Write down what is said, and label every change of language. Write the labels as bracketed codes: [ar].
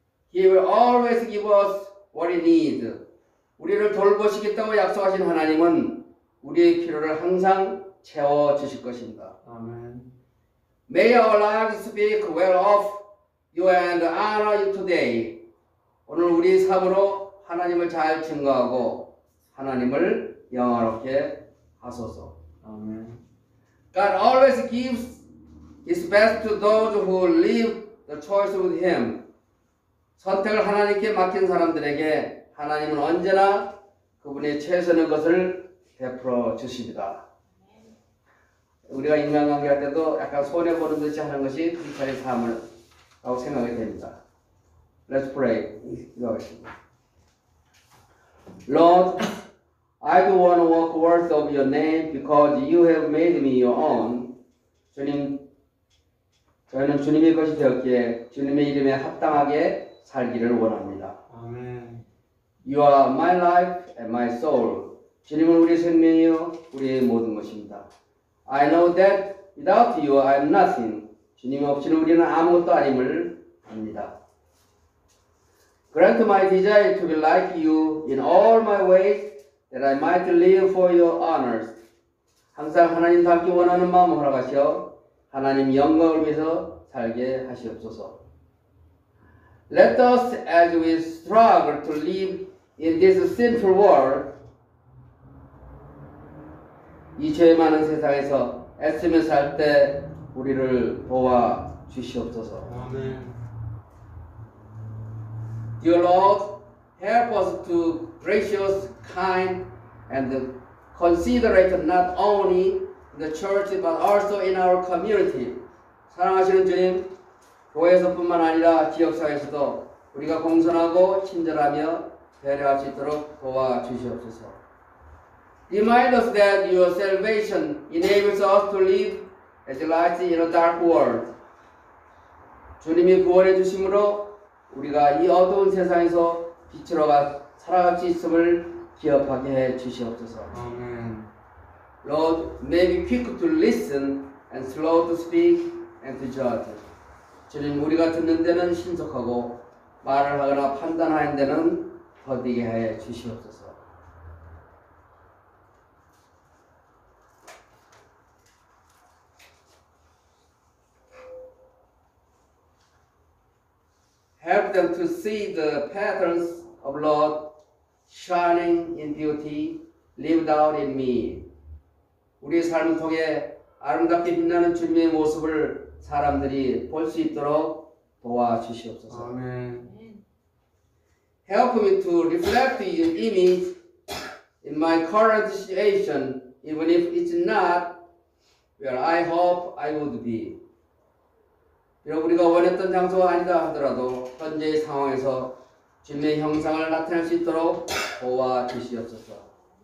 [en] He will always give us what we need. [ko] 우리를 돌보시겠다고 약속하신 하나님은 우리의 필요를 항상 채워 주실 것입니다. [en] Amen. May our lives speak well of you and honor you today. [ko] 오늘 우리 삶으로 하나님을 잘 증거하고 하나님을 영화롭게 하소서. Amen. [en] God always gives his best to those who leave the choice with him. [ko] 선택을 하나님께 맡긴 사람들에게 하나님은 언제나 그분의 최선의 것을 베풀어 주십니다. 우리가 인간관계할 때도 약간 손해보는 듯이 하는 것이 우리의 삶이라고 생각이 됩니다. [en] Let's pray. [ko] 기도하겠습니다. [en] Lord, I do want to walk worth of your name because you have made me your own. [ko] 주님, 저희는 주님의 것이 되었기에 주님의 이름에 합당하게 살기를 원합니다. [en] You are my life and my soul. [ko] 주님은 우리의 생명이요 우리의 모든 것입니다. [en] I know that without you I am nothing. [ko] 주님 없이는 우리는 아무것도 아님을 압니다. [en] Grant my desire to be like you in all my ways that I might live for your honors. [ko] 항상 하나님 닮기 원하는 마음을 허락하시어 하나님 영광을 위해서 살게 하시옵소서. [en] Let us as we struggle to live in this sinful world, [ko] 이 죄 많은 세상에서 애쓰며 살 때 우리를 도와 주시옵소서. [en] Amen. Dear Lord, help us to gracious, kind, and considerate not only in the church but also in our community. [ko] 사랑하시는 주님, 교회에서뿐만 아니라 지역사회에서도 우리가 공손하고 친절하며 배려할 수 있도록 도와주시옵소서. [en] Remind us that your salvation enables us to live as light in a dark world. [ko] 주님이 구원해 주심으로 우리가 이 어두운 세상에서 빛으로 살아갈 수 있음을 기억하게 해 주시옵소서. [en] Amen. Lord, may be quick to listen and slow to speak and to judge. [ko] 주님, 우리가 듣는 데는 신속하고 말을 하거나 판단하는 데는 거디게 해 주시옵소서. [en] Help them to see the patterns of Lord shining in beauty lived out in me. [ko] 우리 삶을 통해 아름답게 빛나는 주님의 모습을 사람들이 볼 수 있도록 도와 주시옵소서. 아멘. [en] Help me to reflect your image in my current situation, even if it's not where I hope I would be. [ko] 비록 우리가 원했던 장소가 아니다 하더라도 현재의 상황에서 주님의 형상을 나타낼 수 있도록 도와 주시옵소서.